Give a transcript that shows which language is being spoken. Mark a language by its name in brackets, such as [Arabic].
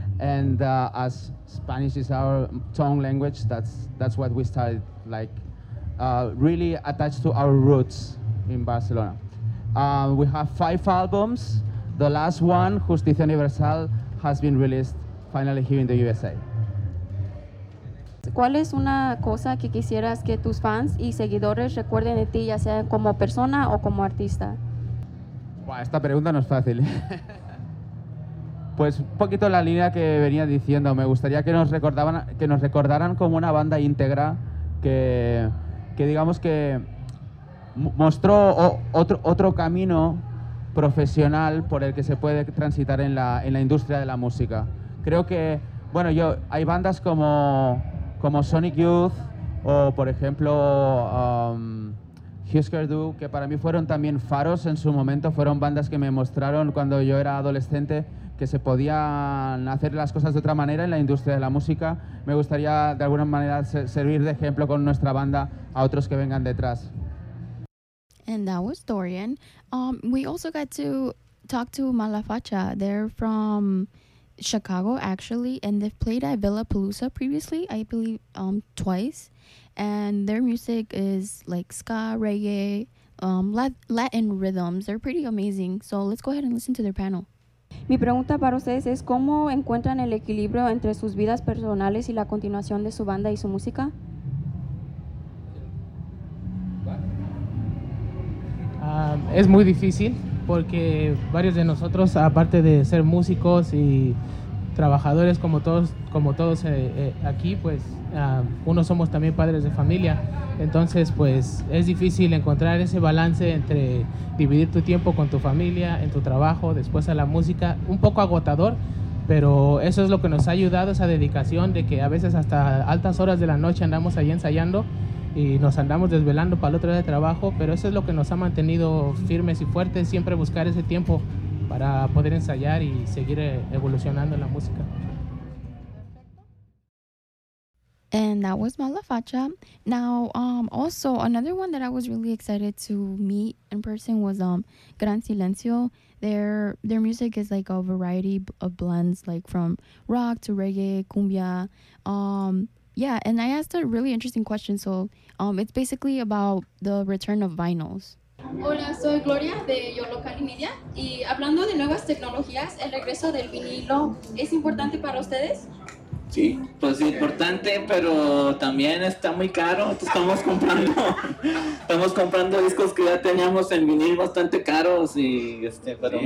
[English] And as Spanish is our tongue language, that's what we started, like, really attached to our roots in Barcelona. We have 5 albums. The last one, Justicia Universal, has been released finally here in the USA. [Spanish] ¿Cuál es una cosa que quisieras que tus fans y seguidores recuerden de ti, ya sea como persona o como artista? Wow, esta pregunta no es fácil. Pues un poquito la línea que venía diciendo. Me gustaría que nos recordaran como una banda íntegra que digamos que mostró otro camino profesional por el que se puede transitar en la industria de la música. Creo que, bueno, yo hay bandas como Sonic Youth o, por ejemplo, Husker Du, que para mí fueron también faros en su momento. Fueron bandas que me mostraron cuando yo era adolescente que se podían hacer las cosas de otra manera en la industria de la música. Me gustaría, de alguna manera, servir de ejemplo con nuestra banda a otros que vengan detrás. [English] And that was Dorian. We also got to talked to Malafacha. They're from Chicago, actually, and they've played at Villa Palooza previously, I believe, twice. And their music is like ska, reggae, Latin rhythms. They're pretty amazing. So let's go ahead and listen to their panel. [Spanish] Mi pregunta para ustedes es cómo encuentran el equilibrio entre sus vidas personales y la continuación de su banda y su música. Es muy difícil porque varios de nosotros, aparte de ser músicos y trabajadores como todos aquí, pues unos somos también padres de familia. Entonces, pues es difícil encontrar ese balance entre dividir tu tiempo con tu familia, en tu trabajo, después a la música. Un poco agotador, pero eso es lo que nos ha ayudado, esa dedicación de que a veces hasta altas horas de la noche andamos ahí ensayando y nos andamos desvelando para el otro día de trabajo, pero eso es lo que nos ha mantenido firmes y fuertes, siempre buscar ese tiempo para poder ensayar y seguir evolucionando en la música. [English] And that was Malafacha. Now, also another one that I was really excited to meet in person was Gran Silencio. Their music is like a variety of blends, like from rock to reggae, cumbia. Yeah, and I asked a really interesting question. So it's basically about the return of vinyls. [Spanish] Hola, soy Gloria de Yolocali Media. Y hablando de nuevas tecnologías, el regreso del vinilo es importante para ustedes. Sí, pues importante, pero también está muy caro. Estamos comprando discos que ya teníamos en vinil bastante caros y pero sí.